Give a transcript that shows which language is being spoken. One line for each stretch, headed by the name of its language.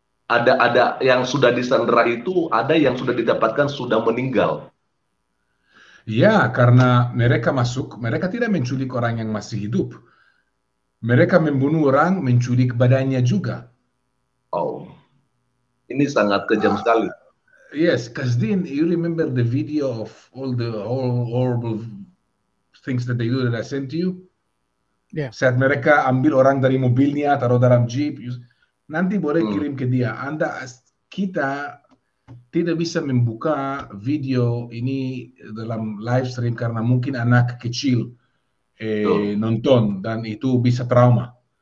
Indonesian: Ada yang sudah disandera itu, ada yang sudah didapatkan sudah meninggal. Ya, karena mereka masuk, mereka tidak menculik orang yang masih hidup. Mereka membunuh orang, menculik badannya juga. Oh, ini sangat kejam sekali.
English: Yes, Kasdin, you remember the video of all horrible things that they do that I sent to you? Yeah.
Indonesian: Saat mereka ambil orang dari mobilnya, taruh dalam jeep, nanti boleh kirim ke dia. Anda, kita tidak bisa membuka video ini dalam live stream karena mungkin anak kecil nonton dan itu bisa trauma.